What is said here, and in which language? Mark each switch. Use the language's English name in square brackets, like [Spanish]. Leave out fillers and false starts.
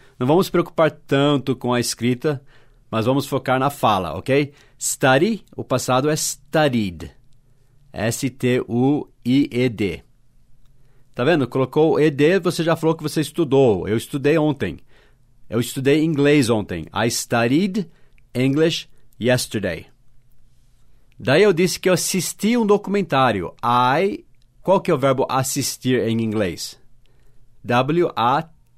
[Portuguese] Não vamos preocupar tanto com a escrita, mas vamos focar na fala, ok? Study, o passado é studied. S-T-U-I-E-D. Tá vendo? Colocou ED, você já falou que você estudou. Eu estudei ontem. Eu estudei inglês ontem. [English] I studied English yesterday. [Portuguese] Daí eu disse que eu assisti um documentário. I, qual que é o verbo assistir em inglês? W-A-T-C-H.